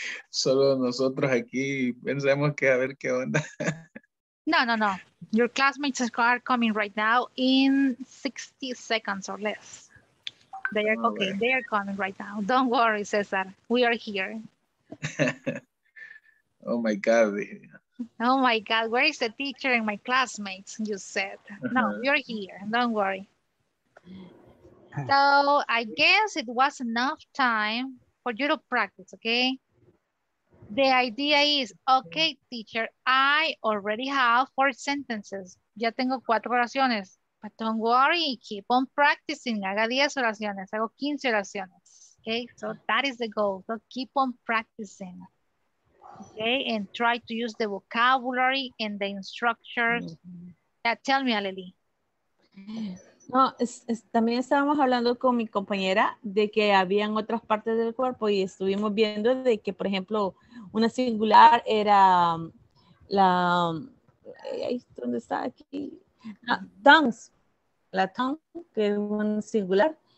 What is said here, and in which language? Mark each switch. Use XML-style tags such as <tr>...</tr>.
<es>Solo nosotros aquí pensamos que a ver qué onda. No.</es> <en>Your classmates are coming right now in 60 seconds or less. They are okay. They are coming right now. Don't worry, Cesar. We are here. Oh my God. Oh my God. Where is the teacher and my classmates? You said. No, you're here. Don't worry. So I guess it was enough time for you to practice, okay? The idea is, okay, teacher, I already have 4 sentences.</en> <es>Ya tengo 4 oraciones.</es> <en>But don't worry, keep on practicing.</en> <es>Haga 10 oraciones, hago 15 oraciones.</es> <en>Okay, so that is the goal. So keep on practicing. Okay, and try to use the vocabulary and the instructions. Mm-hmm. Yeah, tell me, Aleli.</en> <es>No, también estábamos hablando con mi compañera de que habían otras partes del cuerpo y estuvimos viendo de que, por ejemplo, una singular era la, ¿dónde está aquí? La tongues, la tongue, que es un singular.</es>